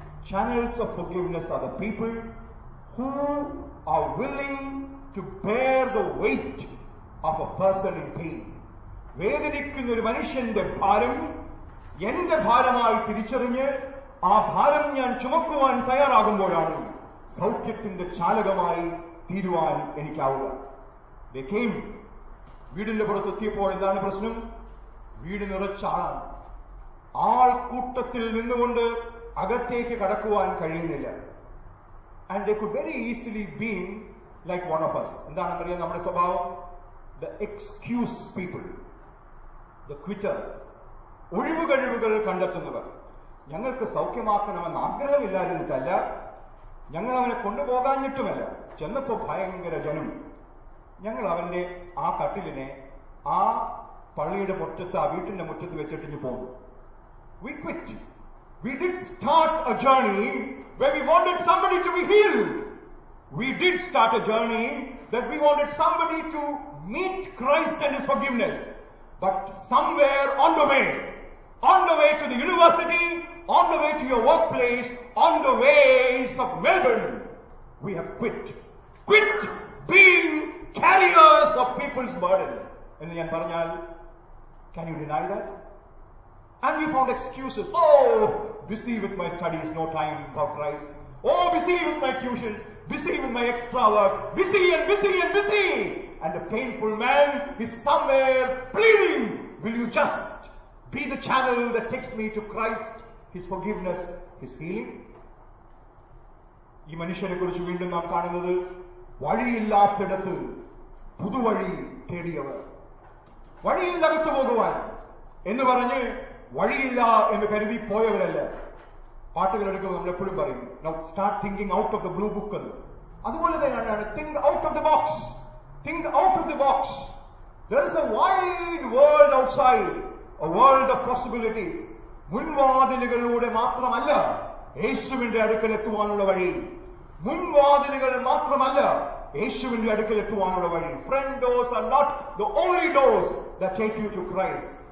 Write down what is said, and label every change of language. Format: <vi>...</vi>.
<en>Channels of forgiveness are the people who are willing to bear the weight of a person in pain.</en> <ml>വേദനിക്കുന്ന ഒരു മനുഷ്യന്റെ ഭാരം എന്റെ ഭാരമായി തിരിച്ചറിഞ്ഞ് ആ ഭാരം ഞാൻ ചുമക്കുവാൻ തയ്യാറാകുമ്പോഴാണ് സൗഖ്യത്തിന്റെ ചാലകമായി തീരുവാൻ എനിക്കാവുക.</ml> <en>They came.</en> <ml>വീടിന്റെ പുറത്തെത്തിയപ്പോൾ എന്താണ് പ്രശ്നം? വീട് നിറച്ചാണ്. ആൾക്കൂട്ടത്തിൽ നിന്നുകൊണ്ട് അകത്തേക്ക് കടക്കുവാൻ കഴിയുന്നില്ല.</ml> <en>And they could very easily be like one of us.</en> <ml>എന്താണെന്ന് അറിയാം നമ്മുടെ സ്വഭാവം?</ml> <en>The excuse people, the quitters,</en> <ml>ഒഴിവുകഴിവുകൾ കണ്ടെത്തുന്നവർ. ഞങ്ങൾക്ക് സൗഖ്യമാക്കണമെന്ന് ആഗ്രഹമില്ലായിരുന്നിട്ടല്ല, ഞങ്ങൾ അവനെ കൊണ്ടുപോകാഞ്ഞിട്ടുമല്ല, ചെന്നപ്പോ ഭയങ്കര ജനം. ഞങ്ങൾ അവന്റെ ആ കട്ടിലിനെ ആ പള്ളിയുടെ മുറ്റത്ത്, ആ വീട്ടിന്റെ മുറ്റത്ത് വെച്ചിട്ടിഞ്ഞ് പോകും.</ml> <en>We quit. We did start a journey where we wanted somebody to be healed. We did start a journey that we wanted somebody to meet Christ and his forgiveness. But somewhere on the way to the university, on the way to your workplace, on the ways of Melbourne, we have quit. Quit being carriers of people's burden.</en> <ml>എന്ന് ഞാൻ പറഞ്ഞാൽ,</ml> <en>can you deny that? And we found excuses. Oh, busy with my studies, no time for Christ. Oh, busy with my tuitions, busy with my extra work, busy and busy and busy. And a painful man is somewhere pleading, will you just be the channel that takes me to Christ, his forgiveness, his healing?</en> <ml>ഈ മനുഷ്യനെ കുറിച്ച് വീണ്ടും നാം കാണുന്നത് വഴിയില്ലാത്തിടത്ത് പുതുവഴി തേടിയവർ. വഴിയില്ലകത്ത് പോകുവാൻ എന്ന് പറഞ്ഞ് വഴിയില്ല എന്ന് കരുതി പോയവരല്ല. പാട്ടുകൾ എടുക്കുമ്പോൾ നമ്മൾ എപ്പോഴും പറയും,</ml> <en>Now start thinking out of the blue book.</en> <ml>അതുപോലെ തന്നെയാണ്,</ml> <en>think out of the box. Think out of the box. There is a wide world outside, a world of possibilities.</en> <ml>മുൻവാതിലുകളിലൂടെ മാത്രമല്ല യേശുവിന്റെ അടുക്കൽ എത്തുവാനുള്ള വഴി. മുൻവാതിലുകൾ മാത്രമല്ല യേശുവിന്റെ അടുക്കൽ എത്തുവാനുള്ള വഴി.</ml> <en>Front doors are not the only doors that take you to Christ.</en>